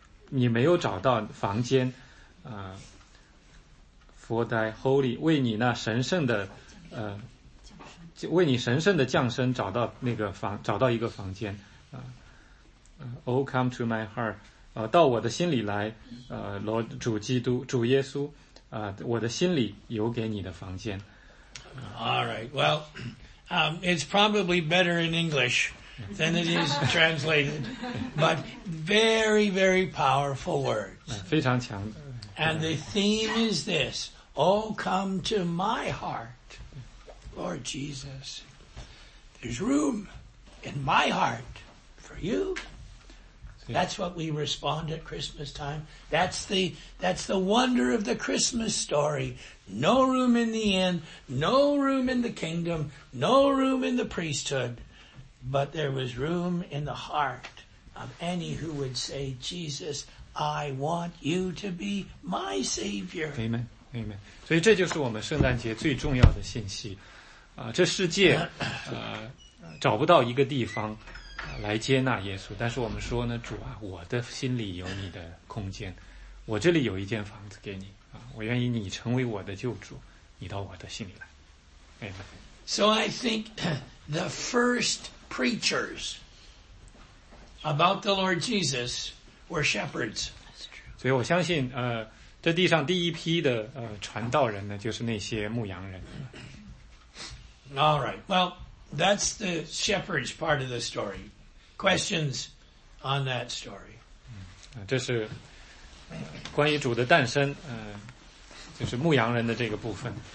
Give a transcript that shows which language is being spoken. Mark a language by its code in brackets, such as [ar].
[zh] 你没有找到房间， [en] for thy holy [zh] 为你那神圣的为你神圣的降生找到那个房，找到一个房间啊。 [en] Oh, come to my heart, [zh] 到我的心里来，Lord 主基督，主耶稣。我的心里有给你的房间。 [en] All right. Well, it's probably better in English than it is translated, but very, very powerful words. [zh] 非常强。 [en] And the theme is this: Oh, come to my heart, Lord Jesus. There's room in my heart for you. That's what we respond at Christmas time. That's the wonder of the Christmas story. No room in the inn, no room in the kingdom, no room in the priesthood, but there was room in the heart of any who would say, Jesus, I want you to be my Savior. Amen, amen. [zh] 所以这就是我们圣诞节最重要的信息。这世界找不到一个地方来接纳耶稣，但是我们说呢，主啊，我的心里有你的空间，我这里有一间房子给你啊，我愿意你成为我的救主，你到我的心里来。 [en] Amen. So I think the first preachers about the Lord Jesus were shepherds. That's true. [zh] 所以我相信，这地上第一批的传道人呢，就是那些牧羊人。 [en] All right. Well. That's the shepherd's part of the story. Questions on that story. [zh] 这是关于主的诞生，就是牧羊人的这个部分。